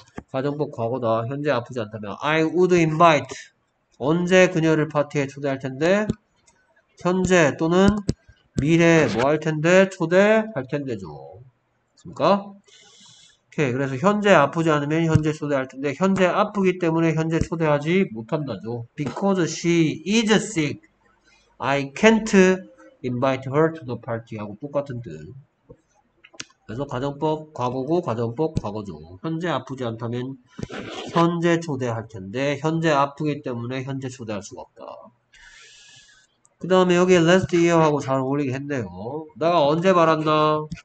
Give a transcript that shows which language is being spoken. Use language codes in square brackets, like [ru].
[ko] 가정법 과거다. 현재 아프지 않다면 [en] I would invite [ko] 언제 그녀를 파티에 초대할 텐데 현재 또는 미래에 뭐할 텐데 초대할 텐데죠. 그러니까 오케이. 그래서 현재 아프지 않으면 현재 초대할 텐데 현재 아프기 때문에 현재 초대하지 못한다죠. [en] Because she is sick, I can't invite her to the party [ko] 하고 똑같은 뜻. 그래서 가정법 과거고 가정법 과거죠. 현재 아프지 않다면 현재 초대할 텐데 현재 아프기 때문에 현재 초대할 수가 없다. 그 다음에 여기 [en] last year [ko] 하고 잘 어울리긴 했네요. 내가 언제 말한다?